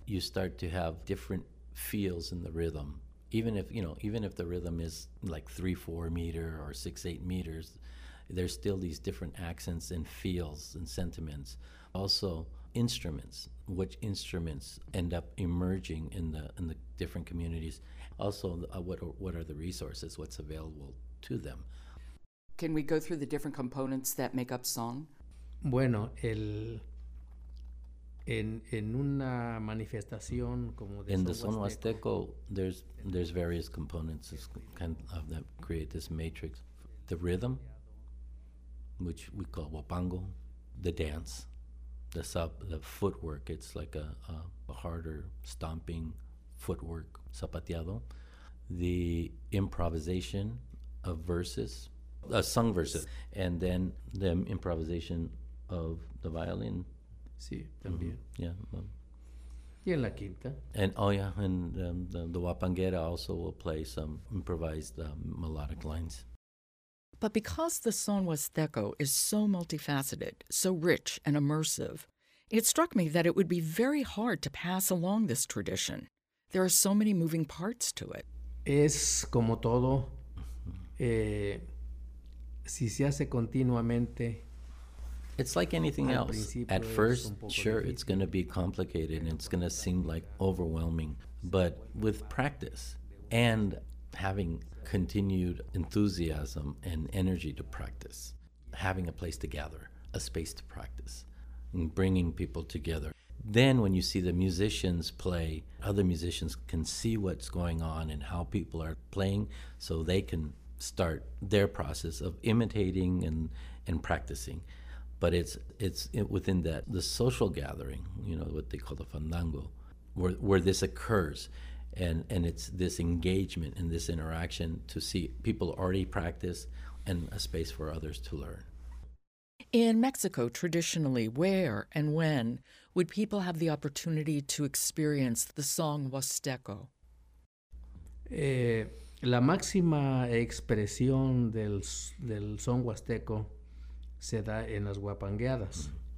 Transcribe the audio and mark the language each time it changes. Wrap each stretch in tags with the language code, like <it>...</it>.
<en>You start to have different feels in the rhythm. Even if the rhythm is like 3-4 meter or 6-8 meters, there's still these different accents and feels and sentiments. Also, instruments, which instruments end up emerging in the different communities. Also, what are the resources, what's available to them. Can we go through the different components that make up song?</en> <es>Bueno, en una manifestación como de</es> <en>in the son huasteco, there's various components kind of that create this matrix. The rhythm, which we call huapango, the dance. The footwork, it's like a harder stomping footwork, zapateado. The improvisation of verses, sung verses, and then the improvisation of the violin.</en> <es>Sí, también.</es> <en>Mm-hmm. Yeah.</en> <es>Y en la quinta.</es> <en>And the huapanguera also will play some improvised melodic lines. But because the son huasteco is so multifaceted, so rich and immersive, it struck me that it would be very hard to pass along this tradition. There are so many moving parts to it.</en> <es>Es como todo. Si se hace continuamente.</es> <en>It's like anything else. At first, sure, it's going to be complicated and it's going to seem like overwhelming. But with practice and having continued enthusiasm and energy to practice, having a place to gather, a space to practice, and bringing people together. Then when you see the musicians play, other musicians can see what's going on and how people are playing, so they can start their process of imitating and practicing. But it's within that, the social gathering, you know, what they call the fandango, where this occurs. And it's this engagement and this interaction to see people already practice and a space for others to learn. In Mexico, traditionally, where and when would people have the opportunity to experience the song huasteco?</en> <es>La máxima expresión del son huasteco se da en las huapangueadas.</es>